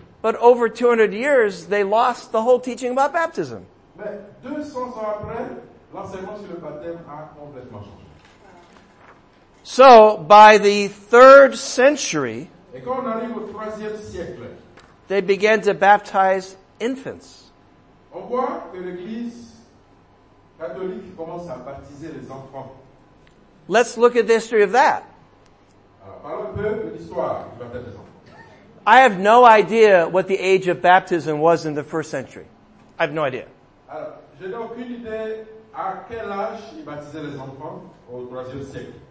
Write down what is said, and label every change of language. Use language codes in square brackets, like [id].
[en] But over 200 years, they lost the whole teaching about baptism. [fr] Mais 200 ans après, l'enseignement sur le baptême a complètement changé. [en] So, by the 3rd century, [fr] et quand on arrive au 3e siècle, [en] they began to baptize infants. [fr] On voit que l'Église catholique commence à baptiser les enfants. [en] Let's look at the history of that. [fr] Alors, parlons un peu de l'histoire du baptême des enfants. [en] I have no idea what the age of baptism was in the 1st century. I have no idea. [fr] Alors, je n'ai aucune idée à quel âge ils baptisaient les enfants au 3e siècle.